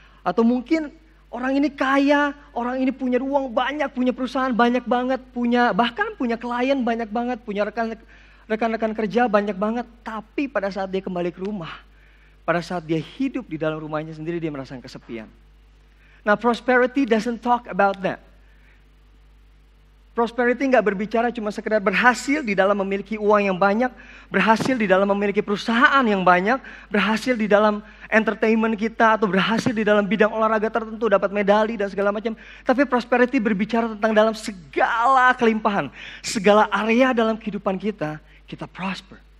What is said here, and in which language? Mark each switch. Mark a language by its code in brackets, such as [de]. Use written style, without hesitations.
[id] Atau mungkin orang ini kaya, orang ini punya uang banyak, punya perusahaan banyak banget, punya bahkan punya klien banyak banget, punya rekan-rekan kerja banyak banget, tapi pada saat dia kembali ke rumah, pada saat dia hidup di dalam rumahnya sendiri, dia merasakan kesepian. [en] Nah, prosperity doesn't talk about that. [id] Prosperity gak berbicara cuma sekedar berhasil di dalam memiliki uang yang banyak, berhasil di dalam memiliki perusahaan yang banyak, berhasil di dalam entertainment kita, atau berhasil di dalam bidang olahraga tertentu, dapat medali dan segala macam. Tapi prosperity berbicara tentang dalam segala kelimpahan, segala area dalam kehidupan kita, kita prosper.